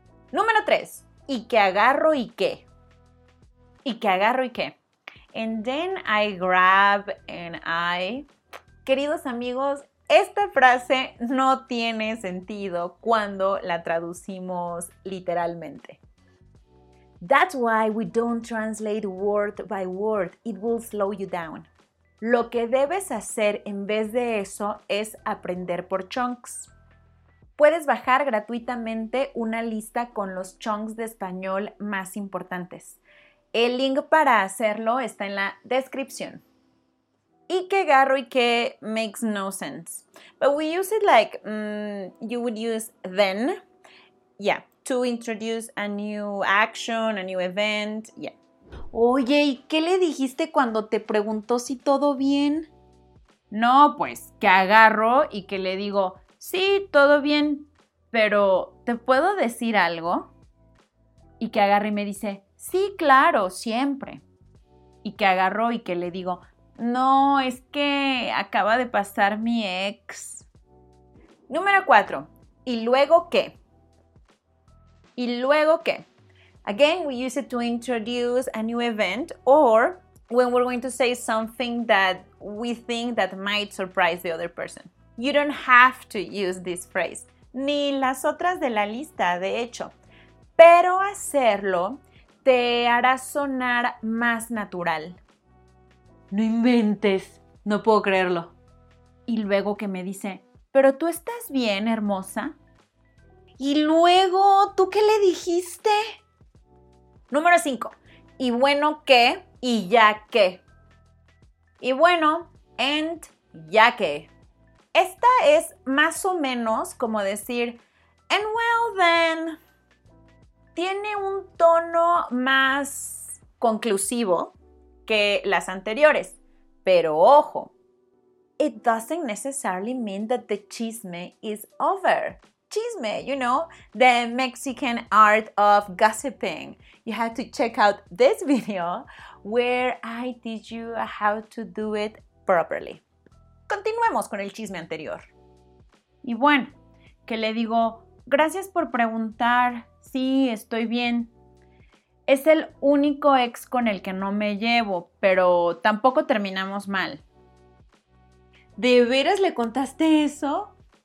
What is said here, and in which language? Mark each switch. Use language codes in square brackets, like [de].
[es] Número 3. Y que agarro y qué. Y que agarro y qué. [en] And then I grab and I... [es] Queridos amigos, esta frase no tiene sentido cuando la traducimos literalmente. [en] That's why we don't translate word by word. It will slow you down. [es] Lo que debes hacer en vez de eso es aprender por chunks. Puedes bajar gratuitamente una lista con los chunks de español más importantes. El link para hacerlo está en la descripción. Y que garro y que [en] makes no sense. But we use it like you would use then. Yeah. To introduce a new action, a new event, yeah. [es] Oye, ¿y qué le dijiste cuando te preguntó si todo bien? No, pues, que agarro y que le digo, sí, todo bien, pero ¿te puedo decir algo? Y que agarro y me dice, sí, claro, siempre. Y que agarro y que le digo, no, es que acaba de pasar mi ex. Número 4. ¿Y luego qué? ¿Y luego qué? [en] Again, we use it to introduce a new event or when we're going to say something that we think that might surprise the other person. You don't have to use this phrase. [es] Ni las otras de la lista, de hecho. Pero hacerlo te hará sonar más natural. No inventes. No puedo creerlo. Y luego que me dice, pero tú estás bien, hermosa. ¿Y luego? ¿Tú qué le dijiste? Número 5. ¿Y bueno qué? ¿Y ya qué? Y bueno, and ya que. Esta es más o menos como decir, [en] and well then. [es] Tiene un tono más conclusivo que las anteriores. Pero ojo, [en] it doesn't necessarily mean that the chisme is over. Chisme, you know, the Mexican art of gossiping. You have to check out this video where I teach you how to do it properly. [es] Continuemos con el chisme anterior. Y bueno, que le digo, gracias por preguntar, sí, estoy bien. Es el único ex con el que no me llevo, pero tampoco terminamos mal. ¿De veras le contaste eso?